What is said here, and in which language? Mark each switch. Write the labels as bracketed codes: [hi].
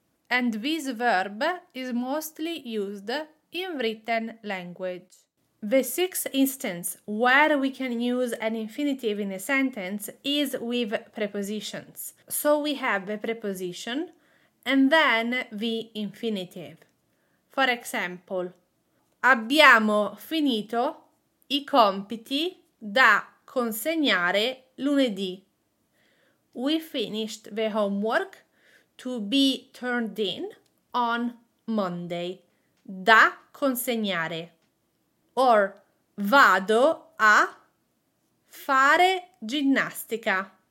[en] And this verb is mostly used in written language. The sixth instance where we can use an infinitive in a sentence is with prepositions. So we have the preposition and then the infinitive. For example, [it] abbiamo finito i compiti da consegnare lunedì. [en] We finished the homework to be turned in on Monday. [it] Da consegnare. Or vado a fare ginnastica.